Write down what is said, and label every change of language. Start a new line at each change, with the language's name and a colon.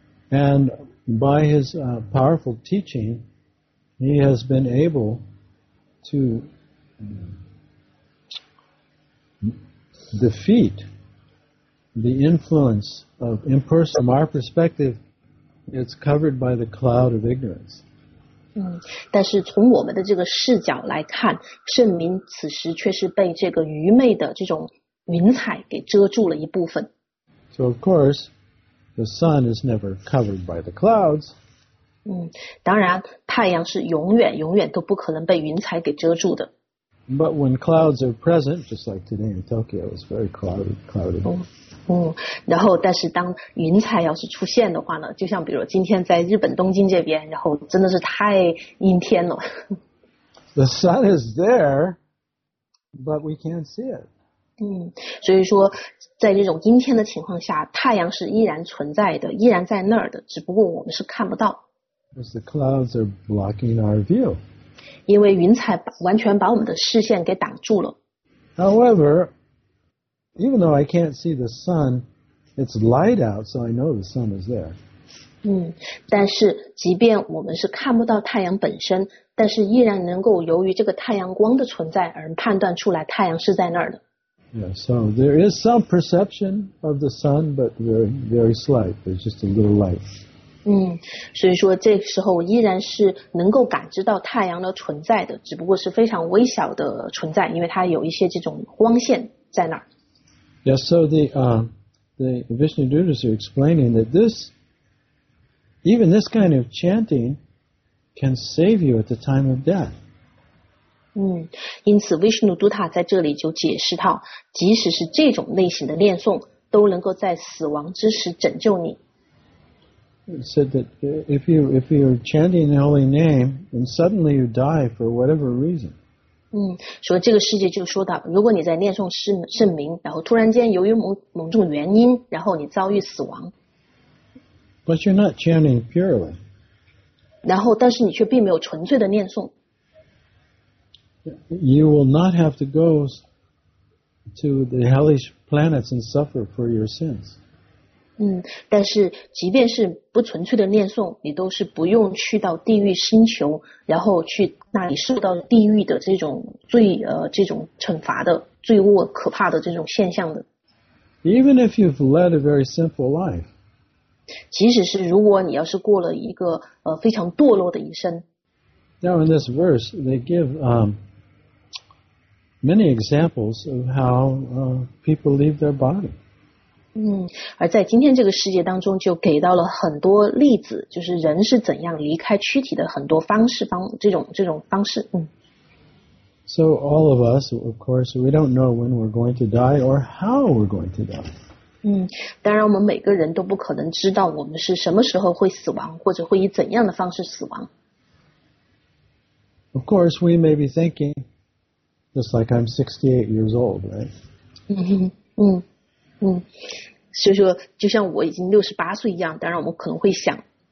English: And by his powerful teaching, he has been able to defeat the influence of impersonal. From our perspective, it's covered by the cloud of ignorance.
Chinese: 但是从我们的这个视角来看，圣明此时却是被这个愚昧的这种云彩给遮住了一部分。
English: So of course, the sun is never covered by the clouds.
Chinese: 当然，太阳是永远永远都不可能被云彩给遮住的。
English: But when clouds are present, just like today in Tokyo, it's very cloudy.
Chinese: 然后但是当云彩要是出现的话呢，就像比如今天在日本东京这边，然后真的是太阴天了。
English: The sun is there, but we can't see it.
Chinese: 所以说在这种阴天的情况下，太阳是依然存在的，依然在那儿的，只不过我们是看不到。
English: Because the clouds are blocking our view.
Chinese: 因为云彩完全把我们的视线给挡住了。
English: However,Even though I can't see the sun, it's light out, so I know the sun is there.
Chinese: 但是即便我们是看不到太阳本身，但是依然能够由于这个太阳光的存在而判断出来太阳是在那儿的。
English: Yeah, so there is some perception of the sun, but very, very slight. There's just a little light.
Chinese: 所以说这时候依然是能够感知到太阳的存在的，只不过是非常微小的存在，因为它有一些这种光线在那儿。
English: Yes, so the Vishnu Dutas are explaining that this, even this kind of chanting can save you at the time of death.
Chinese: 因此 Vishnu Dutta 在这里就解释到，即使是这种类型的念诵，都能够在死亡之时拯救你。
English: He said that if you're chanting the holy name, and suddenly you die for whatever reason,
Chinese: 所以这个世界就说到，如果你在念诵圣名，然后突然间由于某种原因，然后你遭遇死亡。
English: But you're not chanting purely.
Chinese: 然后，但是你却并没有纯粹的念诵。
English: You will not have to go to the hellish planets and suffer for your sins.
Chinese: 但是即便是不纯粹的念诵，你都是不用去到地狱星球，然后去那里受到地狱的这种罪这种惩罚的罪恶可怕的这种现象的。
English: Even if you've led a very simple life,
Chinese: 即使是如果你要是过了一个非常堕落的一生。
English: Now in this verse, they give many examples of how people leave their body.
Chinese: 而在今天这个世界当中就给到了很多例子，就是人是怎样离开躯体的很多方式这种方式。
English: So all of us, of course, we don't know when we're going to die or how we're going to die.
Chinese: 当然我们每个人都不可能知道我们是什么时候会死亡，或者会以怎样的方式死亡。
English: Of course, we may be thinking, just like I'm 68 years old, right?
Chinese: 所以说就像我已经68岁一样，当然我们可能会想。